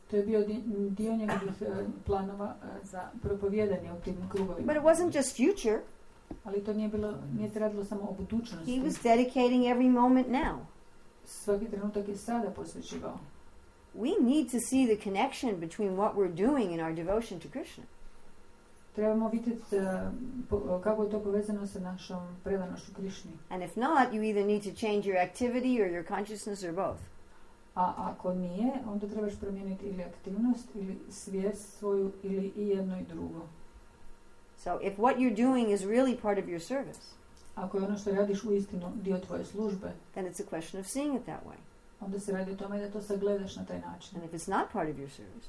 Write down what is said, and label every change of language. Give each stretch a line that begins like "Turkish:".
Croatian: To je bio dio njegovih planova za propovjedanje u tim krugovima.
English: But it wasn't just future.
Croatian: Ali to nije se radilo samo o budućnosti.
English: He was dedicating every moment now.
Croatian: Svaki trenutak je sada posvećivao.
English: we need to see the connection between what we're doing in our devotion to Krishna.
Croatian: Trebamo vidjeti kako je to povezano sa našom predanošću Krishni.
English: And if not, you either need to change your activity or your consciousness or both.
Croatian: A ako nije, onda trebaš promijeniti ili aktivnost ili svijest svoju ili I jedno I drugo.
English: So if what you're doing is really part of your service,
Croatian: ako je ono što radiš u istinu dio tvoje službe,
English: then it's a question of seeing it that way.
Croatian: Onda se radi o tome da to sagledaš na taj način.
English: And if it's not part of your service,